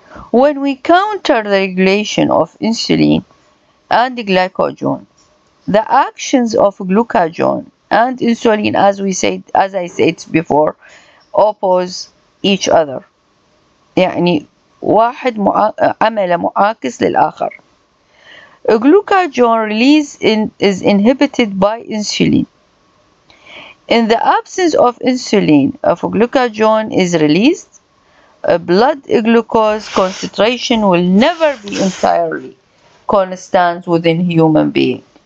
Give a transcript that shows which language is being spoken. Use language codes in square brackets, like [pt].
[en] When we counter the regulation of insulin and glycogen, the actions of glucagon and insulin, as we said, as I said before, oppose each other. [ar] يعني واحد عمل معاكس للآخر. [en] Glucagon release is inhibited by insulin. In the absence of insulin, of glucagon is released. A blood glucose concentration will never be entirely constant within human being.